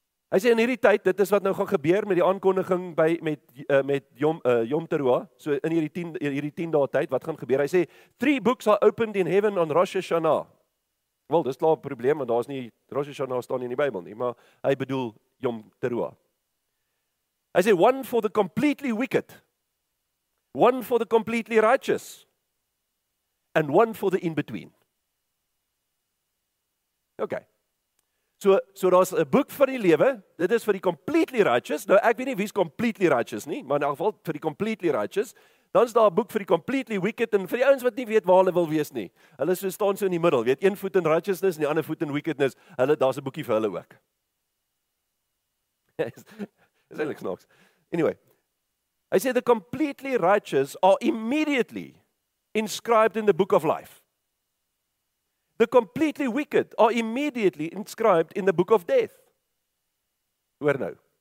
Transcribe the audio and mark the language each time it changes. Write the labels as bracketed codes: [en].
[af] Hy sê in hierdie tyd, dit is wat nou gaan gebeur met die aankondiging met Yom Teruah, so in hierdie 10 dae tyd, wat gaan gebeur? Hy sê, [en] three books are opened in heaven on Rosh Hashanah. [af] Wel, dis klaar 'n probleem, want daar is nie, Rosh Hashanah staan nie in die Bybel nie, maar hy bedoel Yom Teruah. Hy sê, [en] one for the completely wicked, one for the completely righteous, and one for the in-between. Okay. [af] So daar's 'n boek vir die lewe. Dit is vir die [en] completely righteous. [af] Nou ek weet nie wie's [en] completely righteous [af] nie, maar in elk geval vir die completely righteous. Dan's daar 'n boek vir die [en] completely wicked [af] en vir die ouens wat nie weet waar hulle wil wees nie. Hulle so staan so in die middel, weet, een voet in righteousness en die ander voet in wickedness. Hulle daar's 'n boekie vir hulle ook. Is eintlik snaaks. Anyway. [en] I say the completely righteous are immediately inscribed in the book of life. The completely wicked are immediately inscribed in the book of death. [af] Hoor nou.